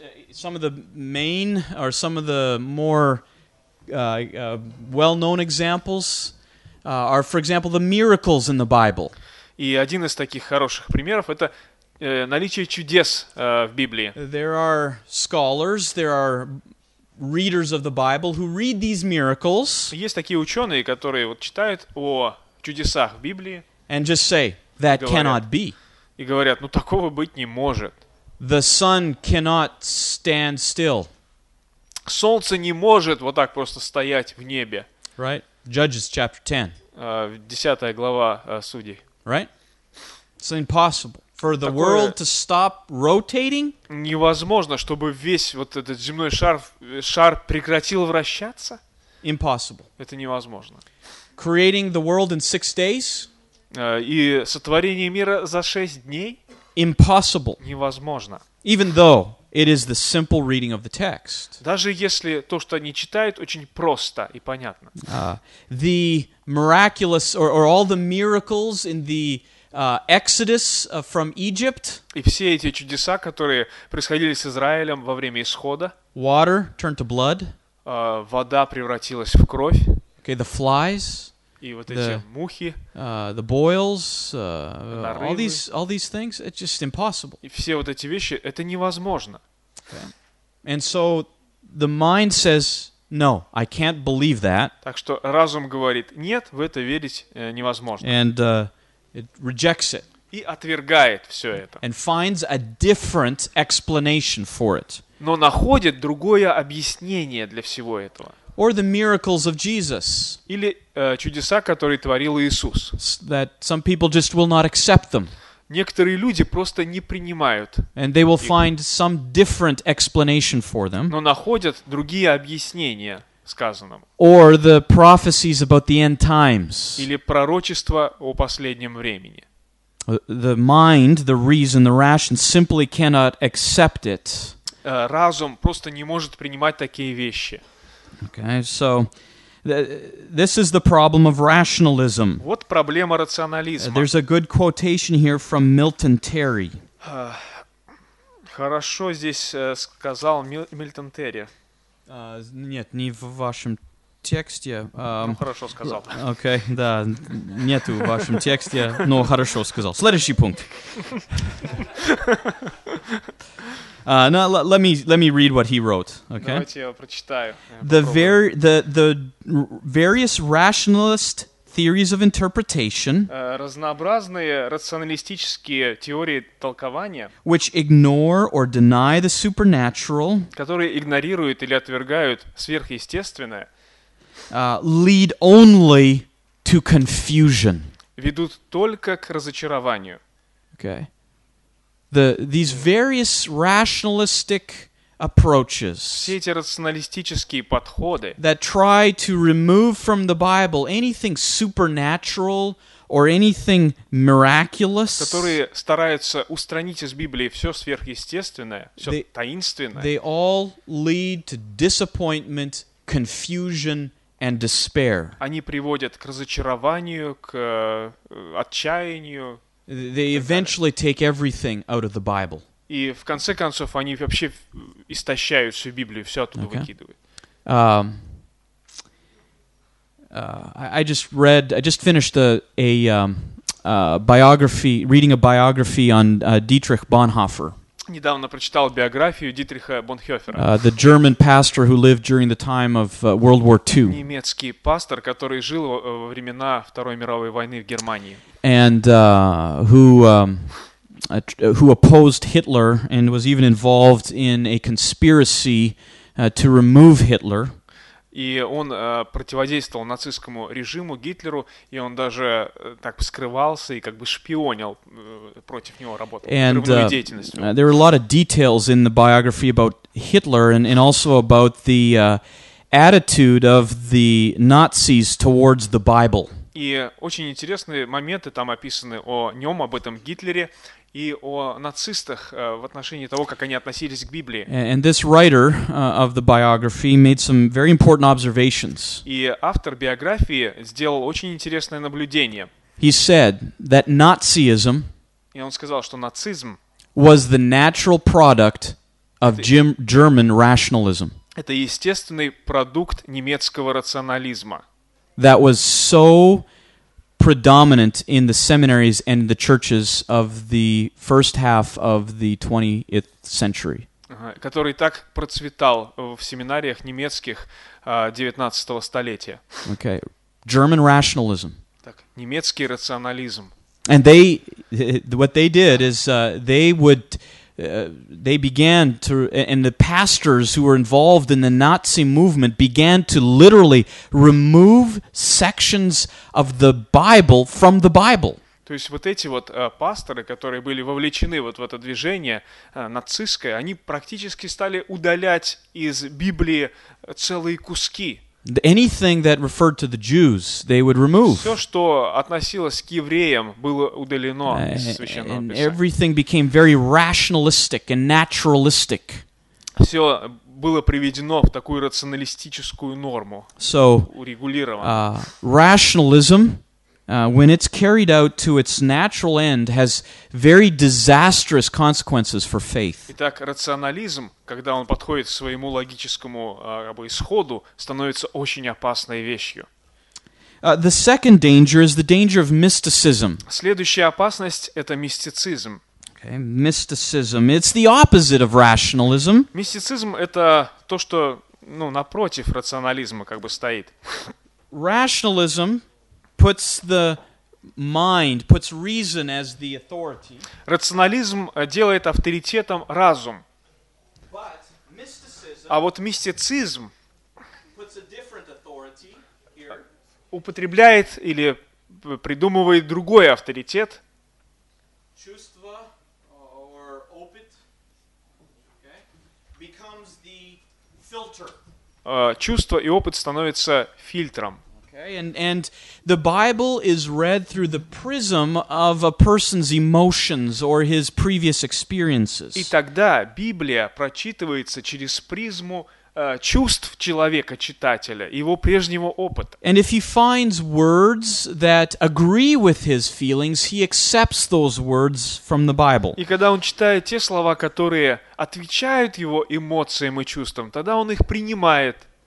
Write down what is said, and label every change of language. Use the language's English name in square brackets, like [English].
[English] Some of the main or some of the more well-known examples are, for example, the miracles in the Bible. [Russian] И один из таких хороших примеров это наличие чудес в Библии. [English] There are scholars, there are readers of the Bible who read these miracles. [Russian] Есть такие ученые, которые вот читают о чудесах в Библии. [English] And just say that cannot be. [Russian] И говорят, ну такого быть не может. [English] The sun cannot stand still. [Russian] Солнце не может вот так просто стоять в небе. [English] Right? Judges chapter 10. [Russian] 10 глава Судей. [English] Right? It's impossible for the world to stop rotating? [Russian] Невозможно, чтобы весь вот этот земной шар прекратил вращаться? [English] Impossible. [Russian] Это невозможно. [English] Creating the world in 6 days? [Russian] И сотворение мира за 6 дней? [English] Impossible. [Russian] Невозможно. [English] Even though it is the simple reading of the text. [Russian] Даже если то, что они читают, очень просто и понятно. [English] The miraculous or all the miracles in the Exodus from Egypt. [Russian] И все эти чудеса, которые происходили с Израилем во время исхода. [English] Water turned to blood. [Russian] Вода превратилась в кровь. [English] Okay, the flies. [Russian] И вот эти мухи, [English] the boils, [Russian] нарывы, [English] all these things, it's just impossible. [Russian] И все вот эти вещи, это невозможно. [English] Okay. And so the mind says, no, I can't believe that. [Russian] Так что разум говорит, нет, в это верить невозможно. [English] And it rejects it. [Russian] И отвергает все это. [English] And finds a different explanation for it. [Russian] Но находит другое объяснение для всего этого. [English] Or the miracles of Jesus. [Russian] Или чудеса, которые творил Иисус. [English] That some people just will not accept them. [Russian] Некоторые люди просто не принимают. [English] And they will find some different explanation for them. [Russian] Но находят другие объяснения сказанному. [English] Or the prophecies about the end times. [Russian] Или пророчества о последнем времени. [English] The mind, the reason, the ration simply cannot accept it. [Russian] Разум просто не может принимать такие вещи. [English] Okay, so this is the problem of rationalism. [Russian] Вот проблема рационализма. [English] There's a good quotation here from Milton Terry. [Russian] Хорошо здесь сказал Милтон Терри. Нет, не в вашем тексте. Ну, хорошо сказал. Okay, да, нету в вашем тексте, но хорошо сказал. Следующий пункт. [English] Let me read what he wrote. Okay. [Russian] Давайте я прочитаю. [English] The various rationalist theories of interpretation. [Russian] Разнообразные рационалистические теории толкования. [English] Which ignore or deny the supernatural. [Russian] Которые игнорируют или отвергают сверхъестественное. [English] Lead only to confusion. [Russian] Ведут только к разочарованию. [English] Okay. These various rationalistic approaches. [Russian] Все эти рационалистические подходы. [English] That try to remove from the Bible anything supernatural or anything miraculous. [Russian] Которые стараются устранить из Библии все сверхъестественное, все таинственное. [English] They all lead to disappointment, confusion, and despair. [Russian] Они приводят к разочарованию, к отчаянию. [English] They eventually take everything out of the Bible. [Russian] И в конце концов они вообще истощают всю Библию, все оттуда выкидывают. [English] I just finished reading a biography on Dietrich Bonhoeffer. [Russian] Недавно прочитал биографию Дитриха Бонхёфера. [English] The German pastor who lived during the time of World War II. [Russian] Немецкий пастор, который жил во времена Второй мировой войны в Германии. [English] And who who opposed Hitler and was even involved in a conspiracy to remove Hitler. [Russian] И он противодействовал нацистскому режиму, Гитлеру, и он даже так скрывался и как бы шпионил против него, работал подрывную деятельность. [English] There are a lot of details in the biography about Hitler and also about the attitude of the Nazis towards the Bible. [Russian] И очень интересные моменты там описаны о нем, об этом Гитлере, и о нацистах в отношении того, как они относились к Библии. [English] And this writer of the biography made some very important observations. [Russian] И автор биографии сделал очень интересное наблюдение. [English] He said that Nazism, [Russian] и он сказал, что нацизм, [English] was the natural product of German rationalism. [Russian] Это естественный продукт немецкого рационализма. [English] That was so predominant in the seminaries and the churches of the first half of the 20th century. [Russian] Который так процветал в семинариях немецких 19-го столетия. [English] Okay. German rationalism. [Russian] Так, немецкий рационализм. [English] And they, what they did is they would, they began to, and the pastors who were involved in the Nazi movement began to literally remove sections of the Bible from the Bible. [Russian] То есть вот эти вот пасторы, которые были вовлечены вот в это движение нацистское, они практически стали удалять из Библии целые куски. [English] Anything that referred to the Jews, they would remove. [Russian] Все, что относилось к евреям, было удалено из Священного Писания. [English] And everything became very rationalistic and naturalistic. [Russian] Все было приведено в такую рационалистическую норму. [English] So, [Russian] урегулировано. [English] Rationalism, when it's carried out to its natural end, has very disastrous consequences for faith. [Russian] Итак, рационализм, когда он подходит к своему логическому исходу, становится очень опасной вещью. [English] The second danger is the danger of mysticism. [Russian] Следующая опасность — это мистицизм. [English] Okay, mysticism. It's the opposite of rationalism. [Russian] Мистицизм — это то, что, ну, напротив рационализма как бы стоит. [English] Rationalism puts the mind, puts reason as the authority. [Russian] Рационализм делает авторитетом разум. [English] But mysticism, [Russian] а вот мистицизм [English] puts a different authority here. [Russian] Употребляет или придумывает другой авторитет. Чувство [English] or [Russian] опыт, [English] okay, becomes the filter. [Russian] Чувство и опыт становятся фильтром. [English] And the Bible is read through the prism of a person's emotions or his previous experiences. [Russian] И тогда Библия прочитывается через призму чувств человека, читателя, его прежнего опыта. [English] And if he finds words that agree with his feelings, he accepts those words from the Bible. [Russian] И когда он читает те слова, которые отвечают его эмоциям и чувствам, тогда он их принимает.